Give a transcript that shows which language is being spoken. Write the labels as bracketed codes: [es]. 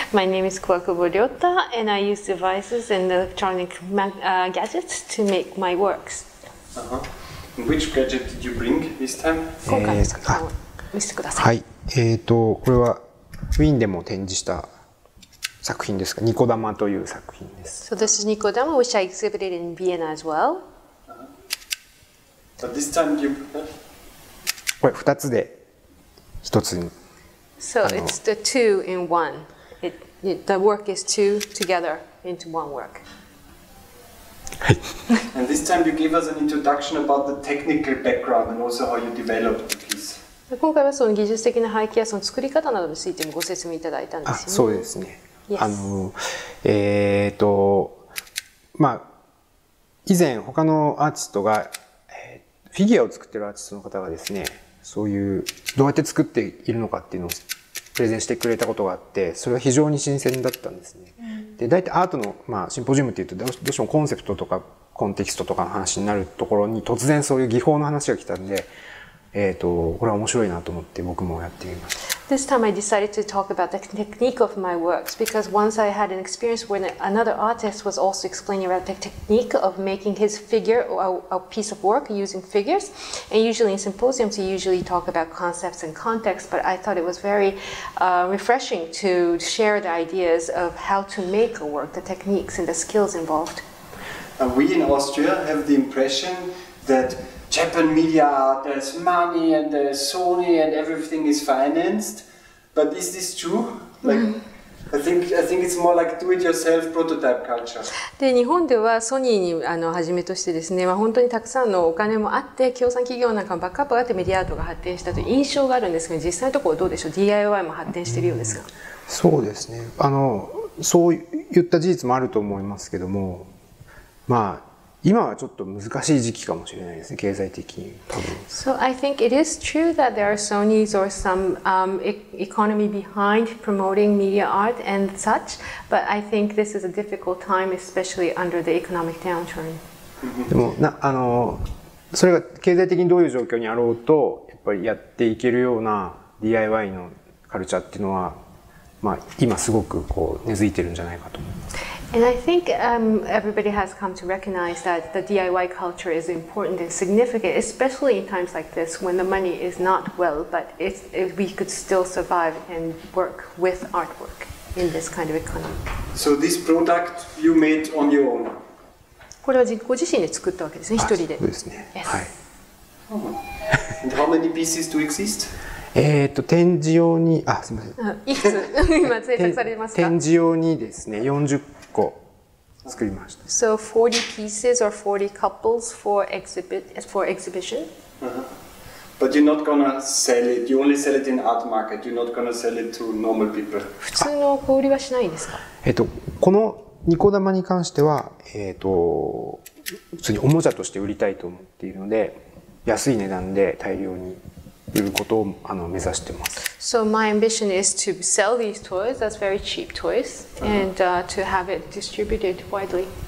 [en] My name is クワクボリョータ and I use devices and electronic gadgets to make my works. Which gadget did you bring this time? [ja] 今回の作品を見せてください。はい、これはウィーンでも展示した作品ですか。ニコ玉という作品です。 [en] So this is ニコ玉 which I exhibited in Vienna as well. But this time you... [ja] これ2つで1つに。 [en] So it's the two in one. The work is two together into one work. [ja] はい。 [en] And this time you gave us an introduction about the technical background and also how you developed the piece. [ja] 今回はその技術的な背景やその作り方などについてもご説明いただいたんですよね。あ、そうですね。 [en] Yes. [ja] まあ以前他のアーティストが、フィギュアを作ってるアーティストの方がですね、そういうどうやって作っているのかっていうのをプレゼンしてくれたことがあって、それは非常に新鮮だったんですね。で、大体アートの、まあ、シンポジウムっていうとどうしてもコンセプトとかコンテキストとかの話になるところに突然そういう技法の話が来たんで。これは面白いなと思って僕もやってみました。 [en] This time I decided to talk about the technique of my works because once I had an experience when another artist was also explaining about the technique of making his figure or a piece of work using figures. And usually in symposiums, you usually talk about concepts and context, but I thought it was very refreshing to share the ideas of how to make a work, the techniques and the skills involved. We in Austria have the impression that Japan media, there's money and there's Sony and everything is financed. But is this true? Like, I think it's more like do-it-yourself prototype culture. [ja] で、日本ではソニーにはじめとしてですね、まあ、本当にたくさんのお金もあって、協賛企業なんかもバックアップがあってメディアアートが発展したという印象があるんですが、実際のところどうでしょう？ DIY も発展しているようですか？そうですね。そう言った事実もあると思いますけども、まあ、今はちょっと難しい時期かもしれないですね、経済的に多分。 [en] So I think it is true that there are Sony's or some economy behind promoting media art and such, but I think this is a difficult time, especially under the economic downturn. [ja] でもそれが経済的にどういう状況にあろうと、やっぱりやっていけるような DIY のカルチャーっていうのは、まあ、今すごくこう根付いてるんじゃないかと思います。 [en] And I think everybody has come to recognize that the DIY culture is important and significant, especially in times like this when the money is not well, but we could still survive and work with artwork in this kind of economy. So this product you made on your own? [ja] これはご自身で作ったわけですね、一人で。そうですね。 [en] Yes. はい。 And how many pieces do exist? [ja] 展示用に、あ、すみません。いくつ今制作されますか？展示用にですね、40個作りました。 [en] So 40 pieces or 40 couples for exhibition? Uh-huh. But you're not gonna sell it. You only sell it in art market. You're not gonna sell it to normal people. [ja] 普通の小売りはしないんですか？このニコ玉に関しては、普通におもちゃとして売りたいと思っているので、安い値段で大量に。いうことを目指してます。 [en] So my ambition is to sell these toys as very cheap toys and to have it distributed widely.